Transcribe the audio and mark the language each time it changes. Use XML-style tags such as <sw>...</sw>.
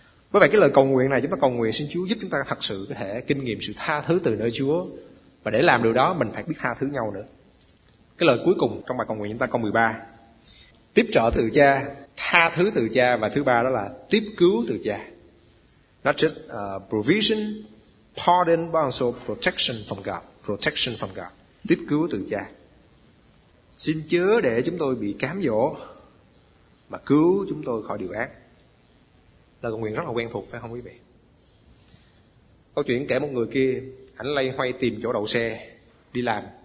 <vi>Với vậy cái lời cầu nguyện này, chúng ta cầu nguyện xin Chúa giúp chúng ta thật sự có thể kinh nghiệm sự tha thứ từ nơi Chúa. Và để làm điều đó mình phải biết tha thứ nhau nữa. Cái lời cuối cùng trong bài cầu nguyện chúng ta, câu 13: tiếp trợ từ cha, tha thứ từ cha, và thứ ba đó là tiếp cứu từ cha.</vi> <en>Not just provision, pardon, but also protection from God. Protection from God.</en> <vi>Tiếp cứu từ cha. Xin chớ để chúng tôi bị cám dỗ, mà cứu chúng tôi khỏi điều ác. Lời cầu nguyện rất là quen thuộc, phải không quý vị? Câu chuyện kể một người kia, ảnh lây hoay tìm chỗ đậu xe đi làm.</vi>